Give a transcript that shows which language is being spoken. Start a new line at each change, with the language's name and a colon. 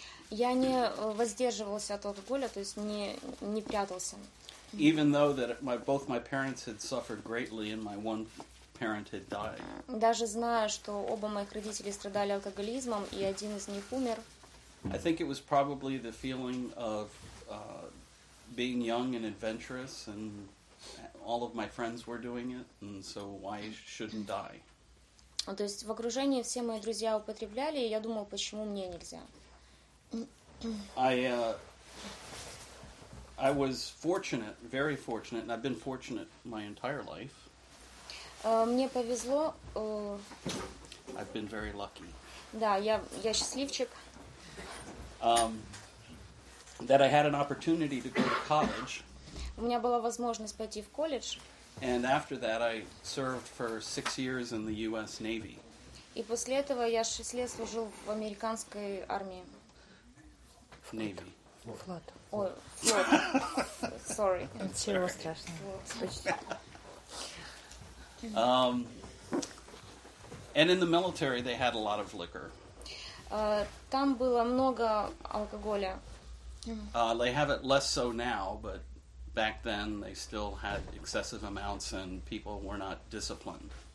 Russian: Я не воздерживался от алкоголя, то есть не прятался.
English: Even though that both my parents had suffered greatly and my one parent had died.
Russian: Даже зная, что оба моих родителей страдали алкоголизмом и один из них умер.
English: I think it was probably the feeling of being young and adventurous and all of my friends were doing it and so why shouldn't I?
Russian: То есть в окружении все мои друзья употребляли, и я думал, почему мне нельзя?
English: I was fortunate, very fortunate, and I've been fortunate my entire life.
Russian: Мне повезло.
English: I've been very lucky.
Russian: Да, я счастливчик.
English: That I had an opportunity to go to college.
Russian: У меня была возможность пойти в колледж.
English: And after that, I served for 6 years in the U.S. Navy.
Russian: И после этого я 6 лет служил в американской армии.
English: Navy.
Russian: Флот.
English: Oh, sorry.
Russian: Ничего страшного.
English: And in the military, they had a lot of liquor.
Russian: Там было много алкоголя.
English: They have it less so now, but back then they still had excessive amounts, and people were not disciplined.